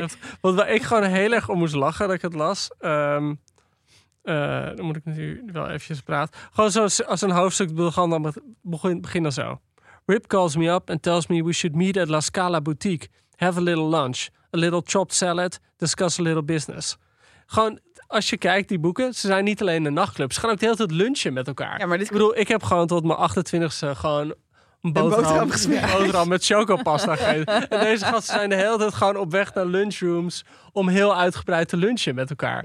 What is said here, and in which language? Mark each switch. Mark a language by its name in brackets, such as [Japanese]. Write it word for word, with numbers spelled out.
[Dutch] Echt, want waar ik gewoon heel erg om moest lachen dat ik het las. Um, uh, dan moet ik natuurlijk wel eventjes praten. Gewoon zoals als een hoofdstuk begon, dan begin, begin dan zo. [English] Rip calls me up and tells me we should meet at La Scala Boutique. Have a little lunch. A little chopped salad. Discuss a little business. [Dutch] Gewoon, als je kijkt, die boeken, ze zijn niet alleen de nachtclubs. Ze gaan ook de hele tijd lunchen met elkaar. Ja, maar dit... Ik bedoel, ik heb gewoon tot mijn achtentwintigste gewoon een boterham, een boterham gesmeerd. Een boterham met chocopasta gegeten. En deze gasten zijn de hele tijd gewoon op weg naar lunchrooms om heel uitgebreid te lunchen met elkaar.